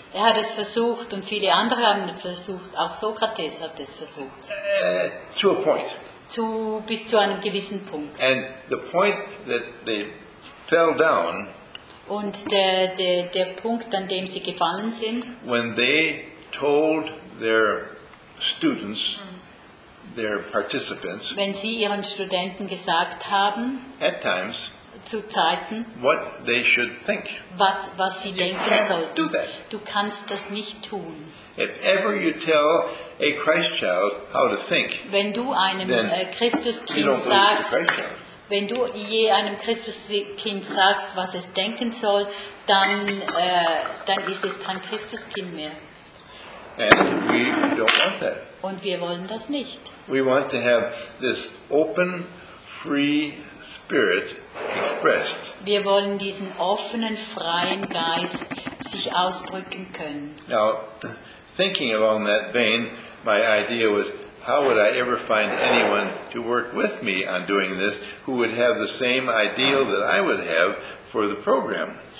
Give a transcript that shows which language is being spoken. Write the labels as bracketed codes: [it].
[de] Er hat es versucht und viele andere haben es versucht. Auch Sokrates hat es versucht. [en] To a point. [de] Bis zu einem gewissen Punkt. [en] And the point that they fell down. [de] Und der Punkt, an dem sie gefallen sind. [en] When they told their students, their participants. [de] Wenn sie ihren Studenten gesagt haben. [en] At times. [de] Zu Zeiten. [en] What they should think. [de] Was sie [en] you [de] denken sollten. [en] Do that. [de] Du kannst das nicht tun. [en] If ever you tell a Christ child how to think. [de] Wenn du einem Christuskind sagst. Wenn du je einem Christuskind sagst, was es denken soll, dann ist es kein Christuskind mehr. [en] And we don't want that. [de] Und wir wollen das nicht. [en] We want to have this open, free spirit expressed. [de] Wir wollen diesen offenen, freien Geist sich ausdrücken können. [en] Now, thinking along that vein, my idea was, how would I ever find anyone to work with me on doing this who would have the same ideal that I would have for the program?